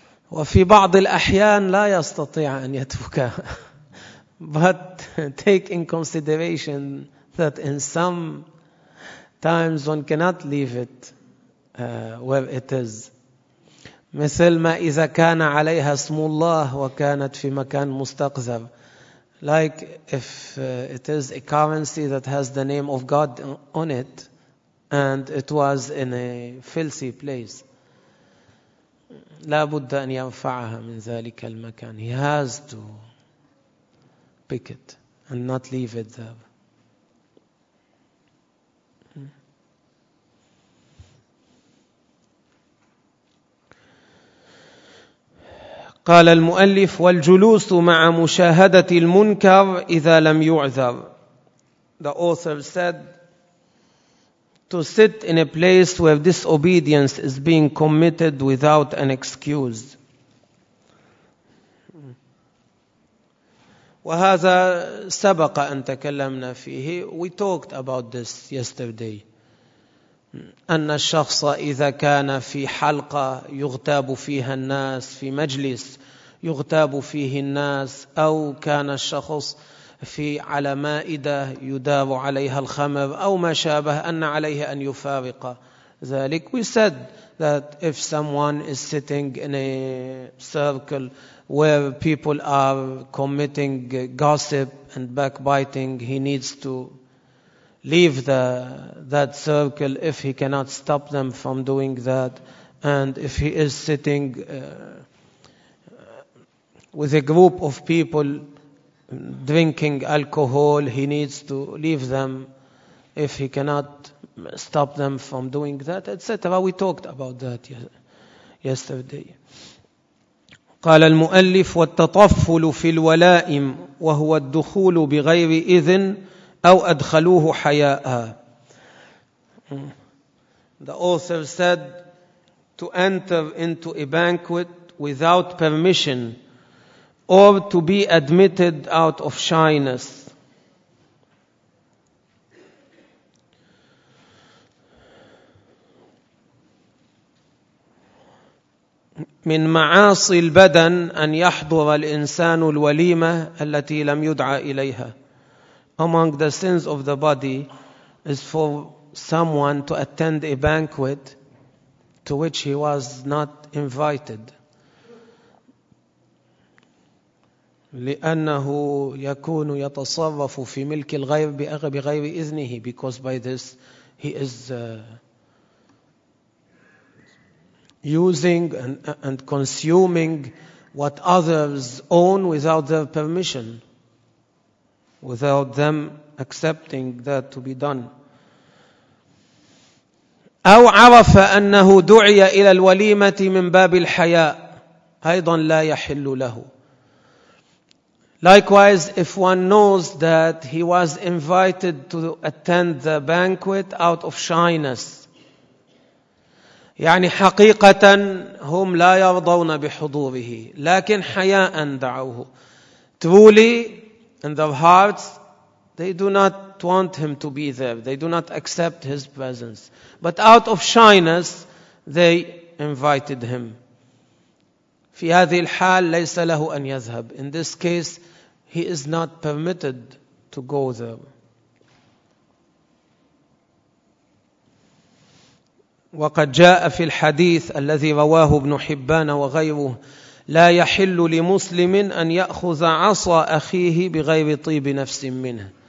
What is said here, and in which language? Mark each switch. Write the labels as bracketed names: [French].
[Arabic] وفي بعض الأحيان لا يستطيع أن يتركها. [English] But take in consideration that in some times one cannot leave it where it is. [Arabic] مثل ما إذا كان عليها اسم الله وكانت في مكان مستقذر. [English] Like if it is a currency that has the name of God on it and it was in a filthy place. [Arabic] لا بد أن يرفعها من ذلك المكان. [English] He has to pick it and not leave it there. [Arabic] قال المؤلف والجلوس مع مشاهدة المنكر إذا لم يعذر. [English] The author said to sit in a place where disobedience is being committed without an excuse. [Arabic] وهذا سبق أن تكلمنا فيه. [English] We talked about this yesterday. [Arabic] أن الشخص إذا كان في حلقة يغتاب فيها الناس, في مجلس يغتاب فيه الناس, أو كان الشخص في على مائدة يدار عليها الخمر أو ما شابه, أن عليه أن يفارق ذلك. [English] We said that if someone is sitting in a circle where people are committing gossip and backbiting, he needs to leave that circle if he cannot stop them from doing that. And if he is sitting with a group of people drinking alcohol, he needs to leave them if he cannot stop them from doing that, etc. We talked about that yesterday. [Arabic] قال المؤلف والتطفل في الولائم وهو الدخول بغير إذن أو أدخلوه حياء. [English] The author said to enter into a banquet without permission or to be admitted out of shyness. [Arabic] من معاصي البدن أن يحضر الإنسان الوليمة التي لم يدعى إليها. [English] Among the sins of the body is for someone to attend a banquet to which he was not invited. [Arabic] لأنه يكون يتصرف في ملك الغيب بغير إذنه. [English] Because by this he is using and consuming what others own without their permission, without them accepting that to be done. [Arabic] أو عرف أنه دعي إلى الوليمة من باب الحياء أيضا لا يحل له. [English] Likewise, if one knows that he was invited to attend the banquet out of shyness, [Arabic] يعني حقيقة هم لا يرضون بحضوره لكن حياء دعوه. [English] Truly, in their hearts, they do not want him to be there. They do not accept his presence. But out of shyness, they invited him. [Arabic] في هذه الحال ليس له أن يذهب. [English] In this case, he is not permitted to go there. [Arabic] وقد جاء في الحديث الذي رواه ابن حبان وغيره لا يحل لمسلم أن يأخذ عصا أخيه بغير طيب نفس منه.